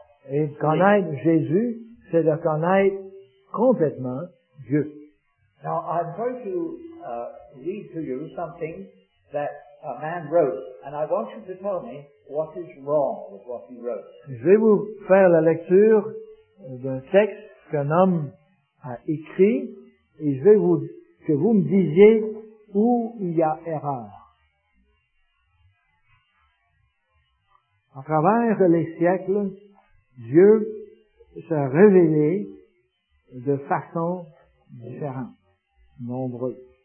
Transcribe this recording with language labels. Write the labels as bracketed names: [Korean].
[French] Et connaître Jésus, c'est de connaître complètement Dieu. [English] Now I'm going to read to you something that a man wrote, and I want you to tell me what is wrong with what he wrote. [French] Je vais vous faire la lecture d'un texte qu'un homme a écrit, et je vais vous que vous me disiez où il y a erreur. À travers les siècles, Dieu s'est révélé de façon différente, nombreuse.